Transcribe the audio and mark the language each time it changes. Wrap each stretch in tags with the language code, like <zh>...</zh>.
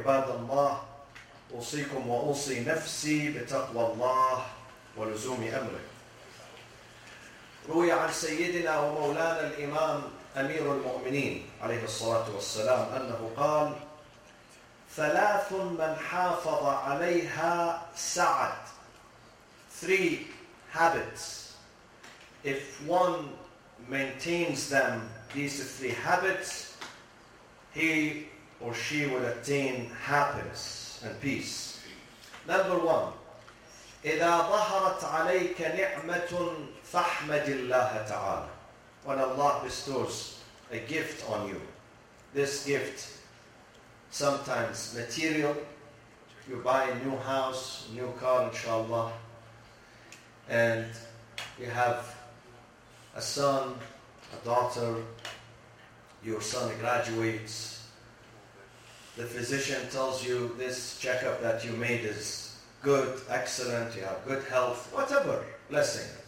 <ar>عباد الله أوصيكم وأوصي نفسي بتقوى الله ولزوم أمره. روي عن سيدنا ومولانا الإمام أمير المؤمنين عليه الصلاة والسلام أنه قال: ثلاث من حافظ عليها سعد.</ar> <en>Three habits. If one maintains them, these three habits, he or she will attain happiness and peace. Number one,</en> <ar>إذا ظهرت عليك نعمة فاحمد الله تعالى.</ar> <en>When Allah bestows a gift on you, this gift, sometimes material, you buy a new house, new car, inshallah, and you have a son, a daughter, your son graduates, the physician tells you this checkup that you made is good, excellent, you have good health, whatever, blessing.</en>